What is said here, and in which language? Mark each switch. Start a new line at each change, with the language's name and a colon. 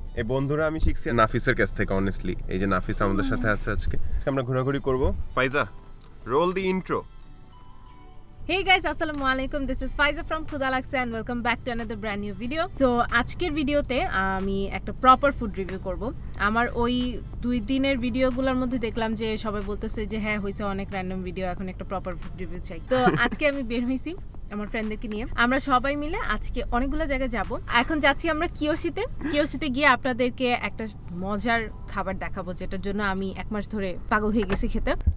Bangla: এই বন্ধুরা আমি শিখছি নাফিসের কাছ থেকে অনেস্টলি। এই যে নাফিস আমাদের সাথে আছে আজকে, আমরা ঘোরাঘুরি করব।
English: Faiza, roll the intro. Hey guys, assalamu alaikum. This is Faiza from Khudalaksa and welcome back to another brand new video.
Bangla: So, আজকের ভিডিওতে আমি একটা প্রপার ফুড রিভিউ করব। আমার ওই দুই দিনের ভিডিওগুলোর মধ্যে দেখলাম যে সবাই বলতেছে যে হ্যাঁ, হয়েছে অনেক র্যান্ডম ভিডিও, এখন একটা প্রপার ফুড রিভিউ চাই। তো আজকে আমি বের হয়েছি আমার ফ্রেন্ডদেরকে নিয়ে, আমরা সবাই মিলে আজকে অনেকগুলো জায়গায় যাবো। এখন যাচ্ছি আমরা কিয়োশিতে। কিয়োশিতে গিয়ে আপনাদেরকে একটা মজার খাবার দেখাবো, যেটার জন্য আমি এক মাস ধরে পাগল হয়ে গেছি খেতে।